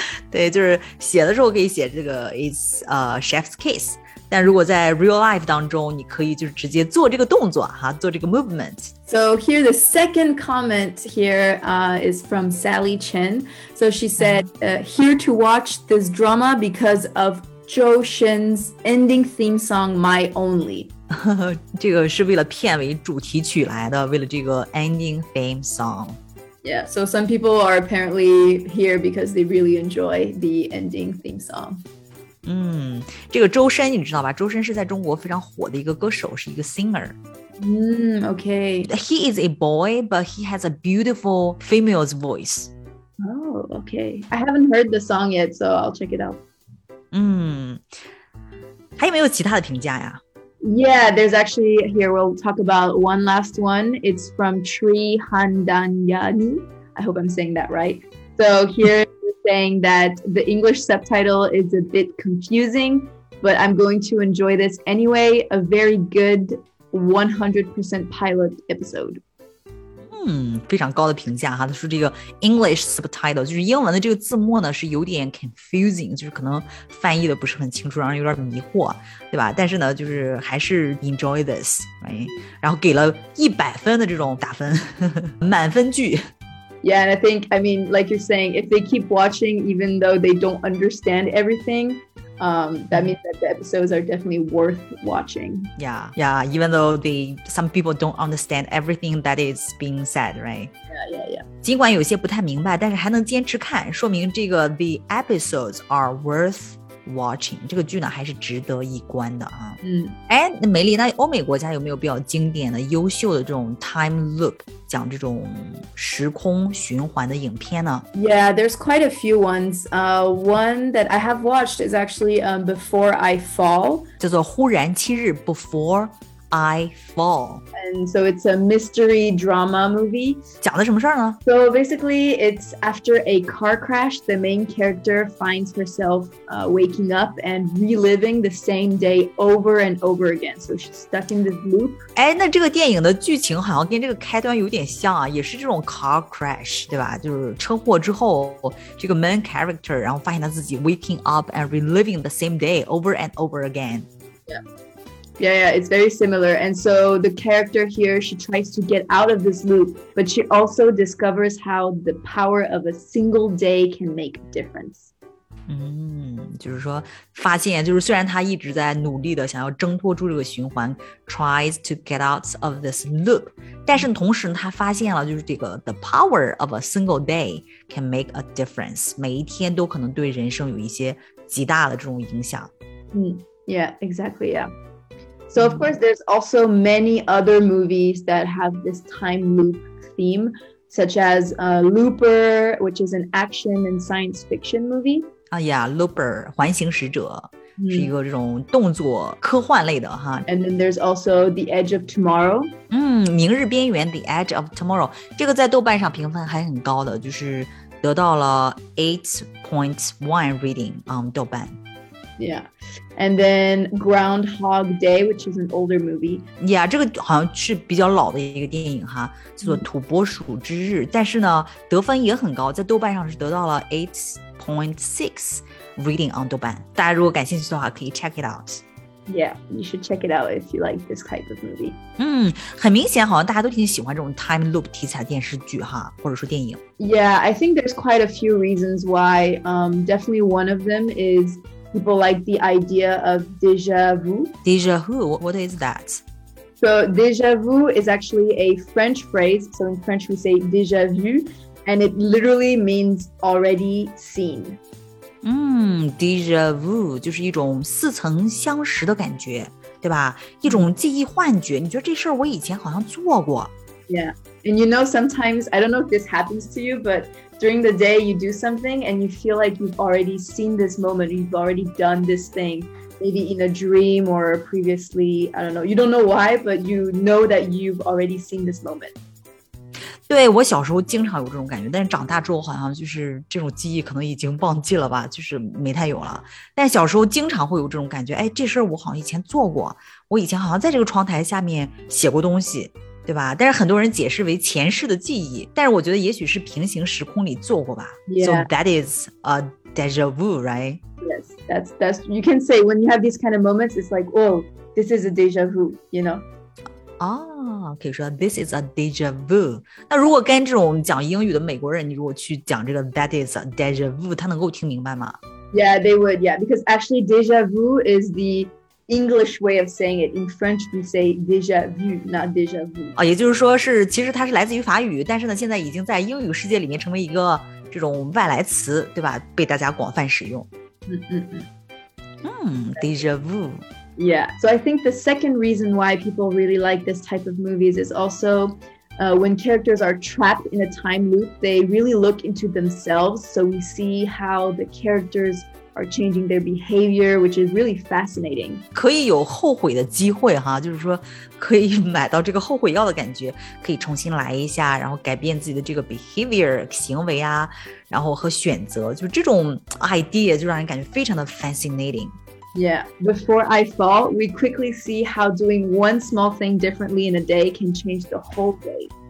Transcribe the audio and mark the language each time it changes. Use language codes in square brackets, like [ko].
[zh] 对，就是写的时候可以写这个 [en] it's chef's kiss, [zh] 但如果在 [en] real life [zh] 当中，你可以就是直接做这个动作哈，做这个 movement. [en] So here, the second comment here is from Sally Chen. So she said, here to watch this drama because of Zhou Shen's ending theme song, My Only. [zh] 这个是为了片尾主题曲来的，为了这个 [en] ending theme song. Yeah, so some people are apparently here because they really enjoy the ending theme song. [zh] 这个周深你知道吧？周深是在中国非常火的一个歌手，是一个 singer. [en] Okay. He is a boy, but he has a beautiful female's voice. Oh, okay. I haven't heard the song yet, so I'll check it out. [zh] 还有没有其他的评价呀？ [en] Yeah, there's actually, here we'll talk about one last one. It's from Tri Handanyani. I hope I'm saying that right. So here you're saying that the English subtitle is a bit confusing, but I'm going to enjoy this anyway. A very good 100% pilot episode. [zh] 非常高的评价哈，他说这个 [en] English subtitle [zh] 就是英文的这个字幕呢是有点 confusing， 就是可能翻译的不是很清楚，让人有点迷惑，对吧？但是呢就是还是 [en] enjoy this、 [zh] right? 然后给了100分的这种打分满分句。 [en] Yeah, and I think, I mean, like you're saying, if they keep watching even though they don't understand everythingthat means that the episodes are definitely worth watching. Yeah, yeah, even though some people don't understand everything that is being said, right? Yeah, yeah, yeah. [zh] 尽管有些不太明白，但是还能坚持看，说明这个 [en] the episodes are worth watching. [zh] 这个剧呢还是值得一观的啊。哎，那美丽，那欧美国家有没有比较经典的、优秀的这种 [en] time loop, [zh] 讲这种时空循环的影片呢？ [en] Yeah, there's quite a few ones. One that I have watched is actually Before I Fall. [zh] 叫做忽然七日 Before I Fall. [en] And so it's a mystery drama movie. [zh] 讲的什么事儿呢？ [en] So basically, it's after a car crash, the main character finds herself waking up and reliving the same day over and over again. So she's stuck in this loop. [zh] 哎，那这个电影的剧情好像跟这个开端有点像啊，也是这种 [en] car crash, [zh] 对吧？就是车祸之后，这个 [en] main character [zh] 然后发现他自己 [en] waking up and reliving the same day over and over again. Yeah, it's very similar. And so the character here, she tries to get out of this loop, but she also discovers how the power of a single day can make a difference. [zh] 就是说发现，就是虽然她一直在努力的想要挣脱出这个循环， [en] tries to get out of this loop, [zh] 但是同时她发现了就是这个 [en] the power of a single day can make a difference. [zh] 每一天都可能对人生有一些极大的这种影响。 [en] Yeah, exactly, yeah. So, of course, there's also many other movies that have this time loop theme, such as Looper, which is an action and science fiction movie. [zh] Looper, 环形使者是一个这种动作科幻类的哈。 [en] And then there's also The Edge of Tomorrow. [zh] 明日边缘 The Edge of Tomorrow. 这个在豆瓣上评分还很高的，就是得到了 [en] 8.1 rating on [zh] 豆瓣。 [en] Yeah, and then Groundhog Day, which is an older movie. [zh] Yeah, 这个好像是比较老的一个电影哈，叫做《土拨鼠之日》，但是呢，得分也很高，在豆瓣上是得到了 [en] 8.6 rating on [zh] 豆瓣。大家如果感兴趣的话，可以 [en] check it out. Yeah, you should check it out if you like this type of movie. [zh] 很明显，好像大家都挺喜欢这种 [en] time loop [zh] 题材电视剧哈，或者说电影。 [en] Yeah, I think there's quite a few reasons why. Definitely one of them is. People like the idea of déjà vu. Déjà vu? What is that? So déjà vu is actually a French phrase. So in French we say déjà vu, and it literally means already seen. [zh] Déjà vu 就是一种似曾相识的感觉，对吧？一种记忆幻觉，你觉得这事儿我以前好像做过。 [en] Yeah, and you know, sometimes, I don't know if this happens to you, but during the day you do something and you feel like you've already seen this moment, you've already done this thing, maybe in a dream or previously, I don't know, you don't know why, but you know that you've already seen this moment. [zh] 对，我小时候经常有这种感觉，但是长大之后好像就是这种记忆可能已经忘记了吧，就是没太有了。但小时候经常会有这种感觉，哎，这事儿我好像以前做过，我以前好像在这个窗台下面写过东西，对吧？但是很多人解释为前世的记忆，但是我觉得也许是平行时空里做过吧。 [en] Yeah. So that is a deja vu, right? Yes, that's, you can say when you have these kind of moments, it's like, oh, this is a deja vu, you know? [zh] 可以说 [en] This is a deja vu. [zh] 那如果跟这种讲英语的美国人，你如果去讲这个 [en] That is a deja vu, [zh] 他能够听明白吗？ [en] Yeah, they would. Yeah, because actually deja vu is the English way of saying it. In French, we say deja vu, not deja vu. [zh] 啊，也就是说是其实它是来自于法语，但是呢，现在已经在英语世界里面成为一个这种外来词，对吧？被大家广泛使用。 [en] deja vu. Yeah, so I think the second reason why people really like this type of movies is also when characters are trapped in a time loop, they really look into themselves. So we see how the characters are changing their behavior, which is really fascinating. [zh] 可以有后悔的机会哈，就是说可以买到这个后悔药的感觉，可以重新来一下，然后改变自己的这个 behavior 行为啊，然后和选择，就这种 idea 就让人感觉非常的 fascinating. [en] Yeah, before I fall, we quickly see how doing one small thing differently in a day can change the whole day.